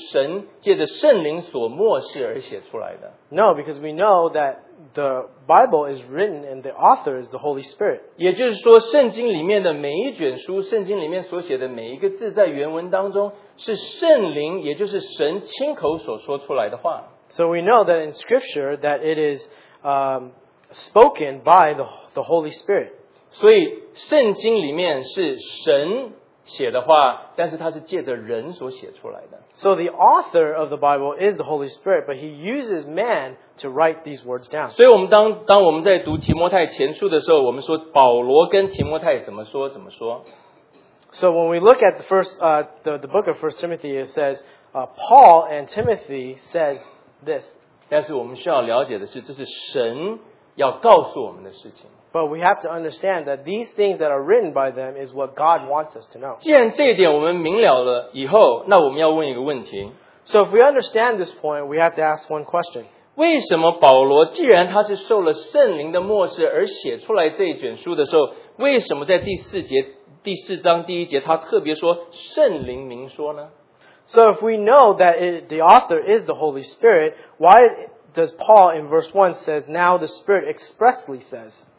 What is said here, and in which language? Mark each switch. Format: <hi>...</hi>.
<zh>不是,因为我们知道圣经里面的话都是神借着圣灵所默示而写出来的。</zh> <en>No, because we know that the Bible is written and the author is the Holy Spirit.</en> <zh>也就是说圣经里面的每一卷书,圣经里面所写的每一个字在原文当中, 是圣灵,也就是神亲口所说出来的话。</zh> <en>So we know that in Scripture that it is spoken by the Holy Spirit.</en> <zh>所以圣经里面是神写的话, 但是它是借着人所写出来的。</zh> <en>So the author of the Bible is the Holy Spirit, but he uses man to write these words down.</en> <zh>所以我们当我们在读提摩太前书的时候, 我们说保罗跟提摩太怎么说怎么说。</zh> <en>So when we look at the first the book of 1 Timothy, it says Paul and Timothy says this.</en> <zh>但是我们需要了解的是，这是神要告诉我们的事情。</zh> <en>But we have to understand that these things that are written by them is what God wants us to know.</en> <zh>既然这一点我们明了了以后，那我们要问一个问题。</zh> <en>So if we understand this point, we have to ask one question.</en> <zh>为什么保罗既然他是受了圣灵的默示而写出来这一卷书的时候，为什么在第四节第四章第一节他特别说圣灵明说呢？</zh> <en>So if we know that the author is the Holy Spirit, why does Paul in verse 1 says, now the Spirit expressly says?</en>